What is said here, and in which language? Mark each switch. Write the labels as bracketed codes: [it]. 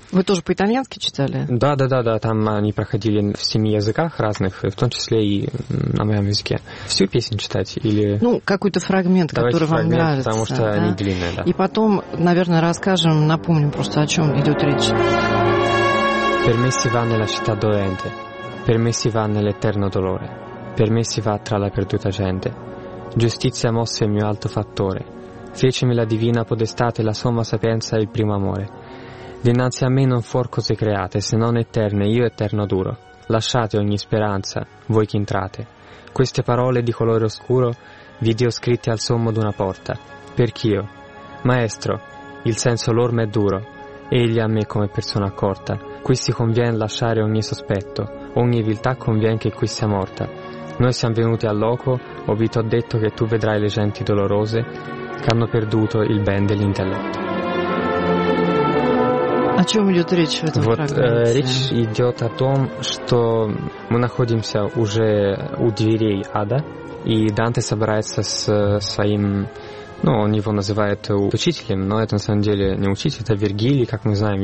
[ru] Вы тоже по-итальянски читали? Да. Там они проходили в 7 языках разных, в том числе и на моем языке. Всю песню читать или... Ну, какой-то фрагмент, давайте который фрагмент, вам нравится. Потому что да? Они длинные, да. И потом, наверное, расскажем, напомним просто, о чем идет речь. [it] Per me si va nella città dolente, per me si va nell'eterno dolore, per me si va tra la perduta gente. Giustizia mosse il mio alto fattore, fecemi la divina podestate, la somma sapienza e il primo amore. Dinanzi a me non fuor cose create, se non eterne, io eterno duro. Lasciate ogni speranza, voi che entrate. Queste parole di colore oscuro, vidio scritte al sommo d'una porta. Perch'io, maestro, il senso loro m'è duro, egli a me come persona accorta. Qui si conviene lasciare ogni sospetto, ogni viltà conviene che qui sia morta. Noi siamo venuti al loco, o vi t'ho detto che tu vedrai le genti dolorose che hanno perduto il ben dell'intelletto. [ru] О чем идет речь в этом фрагменте? Речь идет о том, что мы находимся уже у дверей ада, и Данте собирается с своим... Ну, он его называет учителем, но это на самом деле не учитель, это Вергилий, как мы знаем.